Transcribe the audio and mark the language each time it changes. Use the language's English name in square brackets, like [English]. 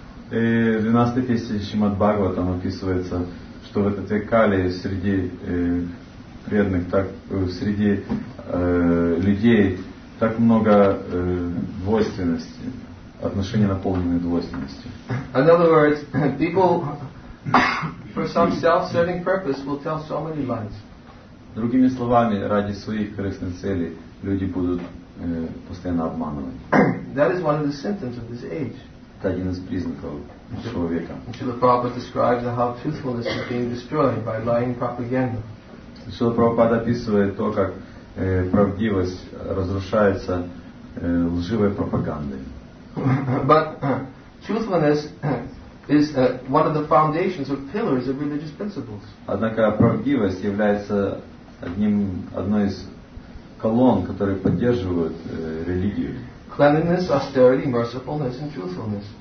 [Russian] И в 12-й песне Шримад Бхагаватам описывается, что в этот век Кали среди преданных, так среди людей так много двойственности, отношения наполнены двойственностью. [English] In other words, people for some self-serving purpose will tell so many lies. [Russian] Другими словами, ради своих корыстных целей люди будут постоянно обманывать. [English] That is one of the symptoms of this age. [Russian] Это один из признаков нашего века. [English] Srila Prabhupada describes how truthfulness is being destroyed by lying propaganda. [Russian] Srila Prabhupada описывает то, как правдивость разрушается лживой пропагандой. [English] But truthfulness is one of the foundations or pillars of religious principles. [Russian] Однако правдивость является одной из колонн, которые поддерживают религию. [English] Cleanliness, austerity, mercifulness, and truthfulness.